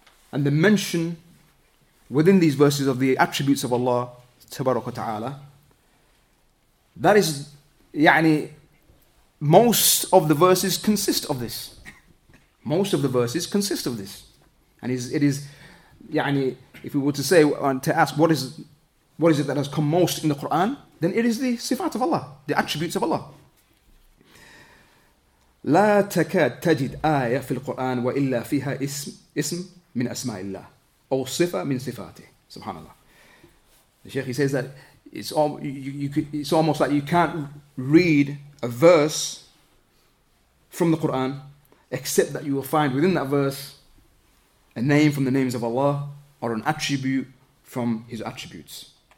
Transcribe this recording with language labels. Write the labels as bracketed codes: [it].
[en] And the mention within these verses of the attributes of Allah Tabaraka Ta'ala, that is, يعني, most of the verses consist of this. Most of the verses consist of this. And it is, يعني, if we were to say, to ask, what is it that has come most in the Quran? Then it is the sifat of Allah, the attributes of Allah. [ar] لا تكاد تجد آية في القرآن وإلا فيها اسم من أسماء الله أو صفة من صفاته سبحان الله. [en] The Sheikh, he says that it's almost like you can't read a verse from the Quran except that you will find within that verse a name from the names of Allah or an attribute from His attributes.